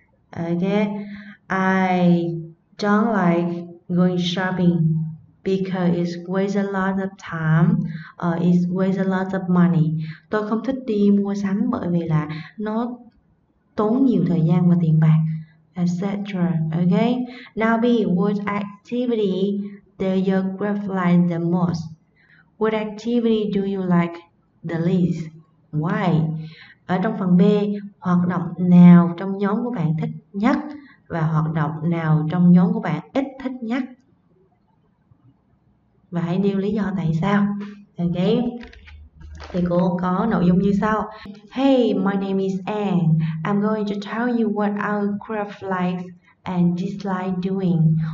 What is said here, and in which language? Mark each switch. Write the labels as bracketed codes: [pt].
[en] Ok, I don't like going shopping because it's waste a lot of time or it's waste a lot of money. [vi] Tôi không thích đi mua sắm bởi vì là nó tốn nhiều thời gian và tiền bạc, etc. [en] Okay. Now B, what activity do you gratify the most? What activity do you like the least? Why? [vi] Ở trong phần B, hoạt động nào trong nhóm của bạn thích nhất và hoạt động nào trong nhóm của bạn ít thích nhất? Và hãy nêu lý do tại sao. Ok, thì cô có nội dung như sau. [en] Hey, my name is Anne. I'm going to tell you what our group likes and dislike doing.